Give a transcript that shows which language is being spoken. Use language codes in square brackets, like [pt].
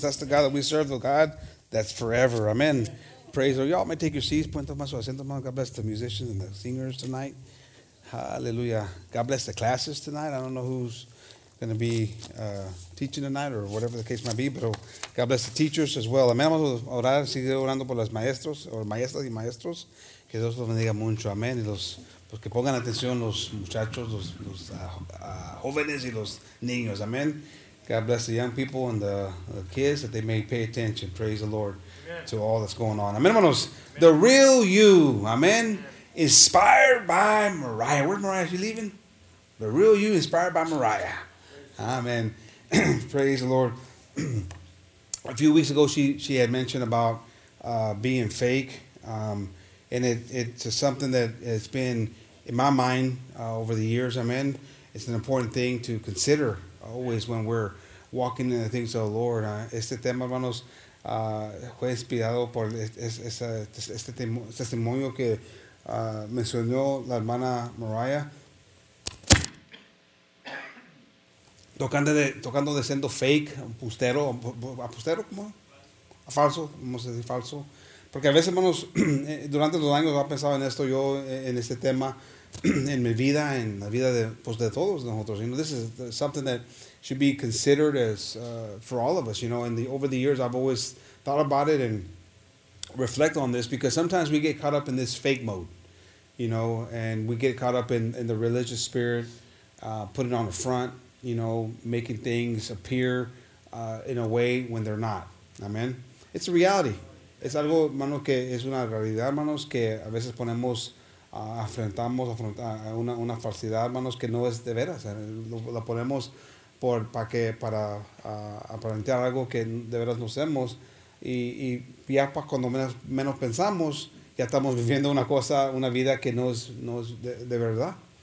[en] That's the God that we serve, the God that's forever. Amen. Praise the Lord. Y'all may take your seats. [es] Puente más su asiento, hermano. [en] God bless the musicians and the singers tonight. Hallelujah. God bless the classes tonight. I don't know who's going to be teaching tonight or whatever the case might be, but God bless the teachers as well. [es] Amen, hermanos. Orar, sigue orando por los maestros, o maestras y maestros. Que Dios los bendiga mucho, amén. Y los pues que pongan atención los muchachos, los jóvenes y los niños, amén. [en] God bless the young people and the kids, that they may pay attention. Praise the Lord, amen, to all that's going on. [es] Amén, hermanos. [en] Amen. The real you, amén. Inspired by Mariah. Where's Mariah? Is she leaving? The real you, inspired by Mariah. Amén. Praise the Lord. A few weeks ago, she had mentioned about being fake. And it's something that has been in my mind over the years, amen. It's an important thing to consider always when we're walking in the things of the Lord. [es] Este tema, hermanos, fue inspirado por este testimonio que mencionó la hermana Mariah. Tocando de siendo fake, apostero, ¿cómo? Falso, vamos a decir falso. Porque a veces, hermanos, durante los años he pensado en esto, yo en este tema, en mi vida, en la vida de, pues, de todos nosotros. [en] You know, this is something that should be considered as for all of us. You know, and over the years, I've always thought about it and reflect on this, because sometimes we get caught up in this fake mode, you know, and we get caught up in the religious spirit, putting on the front, you know, making things appear in a way when they're not. Amen. It's a reality. [es] Es algo, hermanos, que es una realidad, hermanos, que a veces ponemos, afrontamos una falsedad, hermanos, que no es de veras. Lo ponemos para aparentar algo que de veras no somos. Y ya para cuando menos pensamos, ya estamos viviendo una cosa, una vida que no es de verdad.